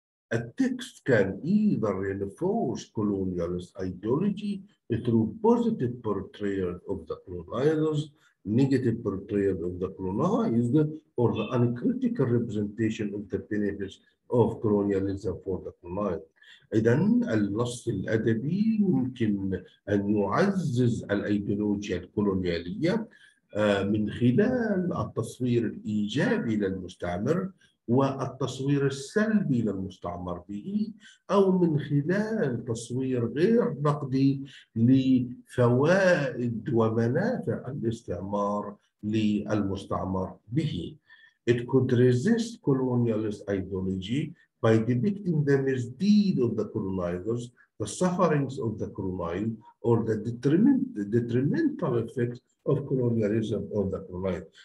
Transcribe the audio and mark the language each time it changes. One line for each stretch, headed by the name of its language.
English: A text can either reinforce colonialist ideology through positive portrayal of the colonizers, negative portrayal of the colonized, or the uncritical representation of the benefits of colonialism for the colonized.
Arabic: إذن النص الأدبي ممكن أن يعزز الأيديولوجيا الكولونيالية من خلال التصوير الإيجابي للمستعمر والتصوير السلبي للمستعمر به أو من خلال تصوير غير نقدي لفوائد ومنافع الاستعمار للمستعمر به.
English: It could resist colonialist ideology by depicting the misdeeds of the colonizers, the sufferings of the colonized, or the detrimental effects of colonialism on the colonized.